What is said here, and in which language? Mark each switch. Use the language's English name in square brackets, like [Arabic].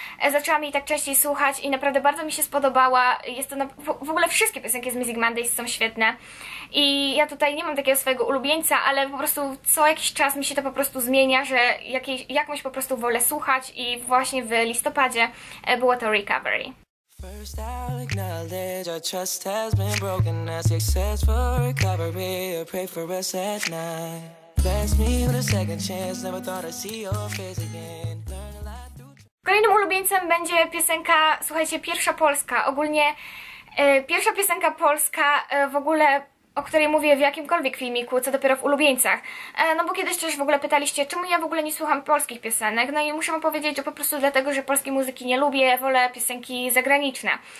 [Polish] Zaczęłam jej tak częściej słuchać i naprawdę bardzo mi się spodobała. Jest to w ogóle wszystkie piosenki z Music Mondays są świetne. I ja tutaj nie mam takiego swojego ulubieńca, ale po prostu co jakiś czas mi się to po prostu zmienia, że jakąś po prostu wolę słuchać i właśnie w listopadzie było to Recovery. [English] First I'll acknowledge our trust has been broken. I success for recovery, I pray for us at night. Bless me with a second chance, never thought I'd see your face again. Learn a lot through... [Polish] Kolejnym ulubieńcem będzie piosenka, słuchajcie, pierwsza polska. Ogólnie pierwsza piosenka polska w ogóle, o której mówię w jakimkolwiek filmiku, co dopiero w ulubieńcach. No bo kiedyś też w ogóle pytaliście, czemu ja w ogóle nie słucham polskich piosenek. No i muszę wam powiedzieć, że po prostu dlatego, że polskiej muzyki nie lubię, wolę piosenki zagraniczne.